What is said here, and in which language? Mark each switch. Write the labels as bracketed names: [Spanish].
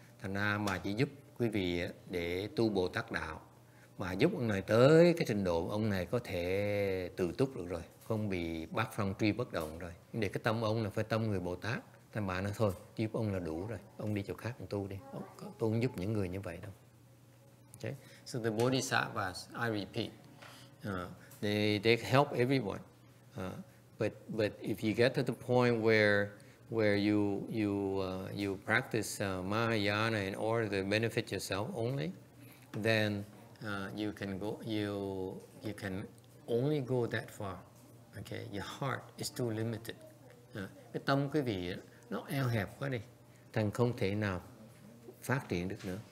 [Vietnamese] Thành ra bà chỉ giúp quý vị để tu Bồ Tát Đạo. Mà giúp ông này tới cái trình độ ông này có thể tự túc được rồi. Không bị bắt phong truy bất động rồi. Để cái tâm ông là phải tâm người Bồ Tát. Thành bà nói thôi, giúp ông là đủ rồi. Ông đi chỗ khác ông tu đi. Ông, tôi không giúp những người như vậy đâu. Okay. [English] So the bodhisattvas, I repeat, they help everyone. But if you get to the point where you practice Mahayana in order to benefit yourself only, then you can only go that far. Okay, your heart is too limited. [Vietnamese] Cái tâm quý vị nó eo hẹp quá đi, thành không thể nào phát triển được nữa.